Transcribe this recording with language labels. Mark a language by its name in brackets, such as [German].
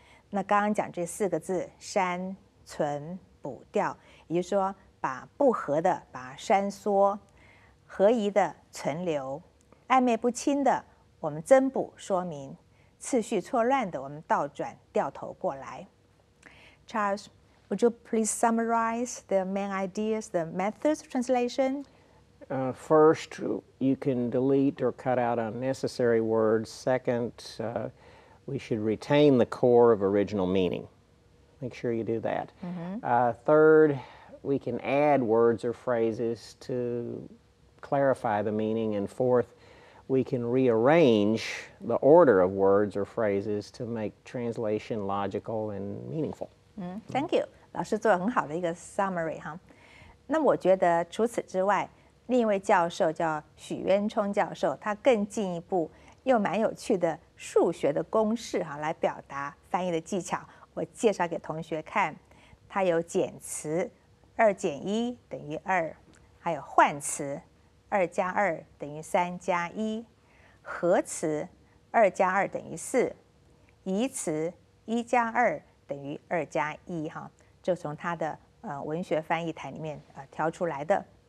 [Chinese] 那刚刚讲这四个字，删、存、补、调，也就是说把不合的把它删缩。合宜的存留，暧昧不清的我们增补说明，次序错乱的我们倒转掉头过来。 [English] Charles, would you please summarize the main ideas, the methods of translation? First, you can delete or cut out unnecessary words. Second, we should retain the core of original meaning. Make sure you do that. Mm-hmm. Third, we can add words or phrases to clarify the meaning. And fourth, we can rearrange the order of words or phrases to make translation logical and meaningful. Thank you. [Chinese] 老师做了很好的一个 summary, 哈。那我觉得除此之外，另一位教授叫许渊冲教授，他更进一步用蛮有趣的数学的公式哈来表达翻译的技巧。我介绍给同学看，他有减词，二减一等于二，还有换词，二加二等于三加一，合词，二加二等于四，移词，一加二等于二加一哈，就从他的文学翻译台里面挑出来的。